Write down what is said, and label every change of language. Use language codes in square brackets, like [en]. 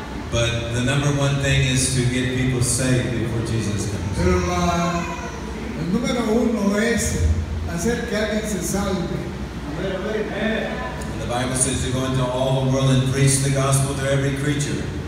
[en] But the number one thing is to get people saved before Jesus comes. [es] Pero el número uno es hacer que alguien se salve. [en] And the Bible says to go into all the world and preach the gospel to every creature.